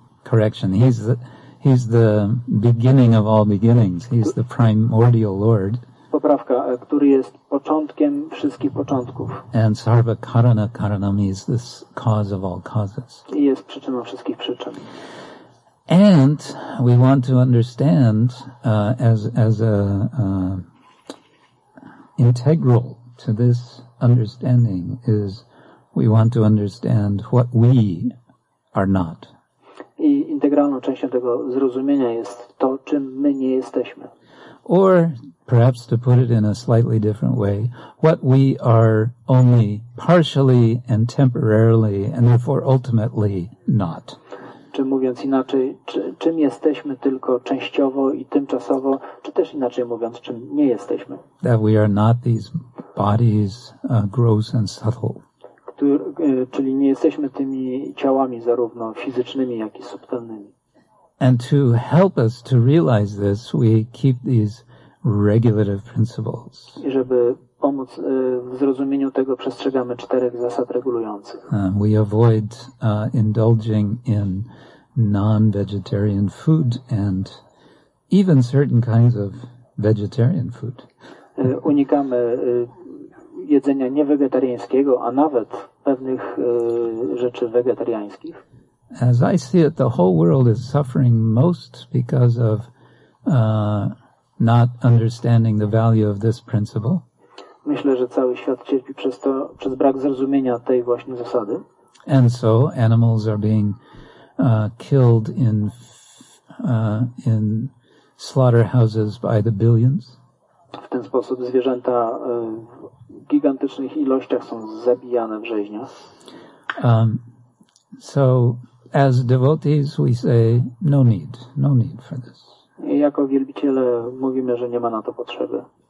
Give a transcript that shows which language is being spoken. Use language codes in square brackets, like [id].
[en] Correction, he's the beginning of all beginnings. He's the primordial Lord. [pl] Poprawka, który jest początkiem wszystkich początków. [en] And Sarva Karana Karanam is the cause of all causes. [pl] I jest przyczyną wszystkich przyczyn. [en] And we want to understand as integral to this understanding is we want to understand what we are not. [pl] I integralną częścią tego zrozumienia jest to, czym my nie jesteśmy. [en] Or perhaps to put it in a slightly different way, what we are only partially and temporarily and therefore ultimately not. [pl] Czy mówiąc inaczej, czym jesteśmy tylko częściowo i tymczasowo, czy też inaczej mówiąc, czym nie jesteśmy. [en] That we are not these bodies, gross and subtle. [pl] Czyli nie jesteśmy tymi ciałami zarówno fizycznymi, jak i subtelnymi. [en] And to help us to realize this, we keep these regulative principles. [pl] I żeby pomóc w zrozumieniu tego, przestrzegamy czterech zasad regulujących. [en] We avoid indulging in non-vegetarian food and even certain kinds of vegetarian food. [pl] Unikamy jedzenia niewegetariańskiego, a nawet pewnych rzeczy wegetariańskich. [en] As I see it, the whole world is suffering most because of not understanding the value of this principle. [pl] Myślę, że cały świat cierpi przez brak zrozumienia tej właśnie zasady. [en] And so animals are being killed in slaughterhouses by the billions. [pl] W ten sposób zwierzęta w gigantycznych ilościach są zabijane w rzeźniach. [en] So as devotees we say no need for this. [pl] I jako wielbiciele mówimy, że nie ma na to potrzeby.